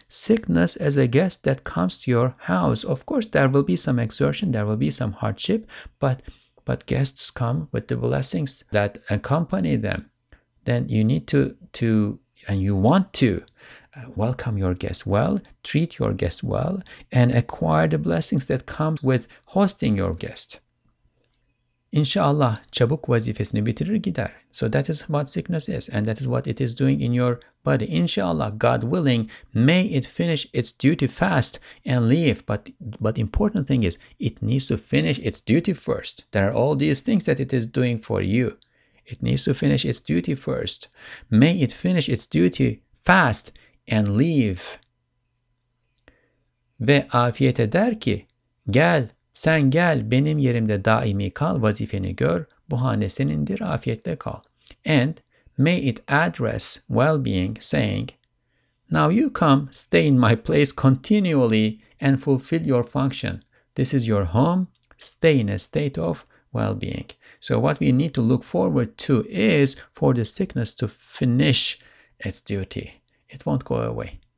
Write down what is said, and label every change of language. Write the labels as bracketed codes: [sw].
[en] Sickness as a guest that comes to your house. Of course, there will be some exertion, there will be some hardship, but guests come with the blessings that accompany them. Then you need to and you want to welcome your guest well, treat your guest well, and acquire the blessings that come with hosting your guest. [tr] İnşallah çabuk vazifesini bitirir gider. [en] So that is what sickness is, and that is what it is doing in your body. Inshallah, God willing, may it finish its duty fast and leave. But the important thing is, it needs to finish its duty first. There are all these things that it is doing for you. It needs to finish its duty first. May it finish its duty fast and leave. [tr] ve afiyete der ki, gel, sen gel, benim yerimde daimi kal, vazifeni gör, bu hane senindir, afiyetle kal. [en] And may it address well-being, saying, now you come, stay in my place continually and fulfill your function. This is your home, stay in a state of well-being. So what we need to look forward to is for the sickness to finish its duty. It won't go away.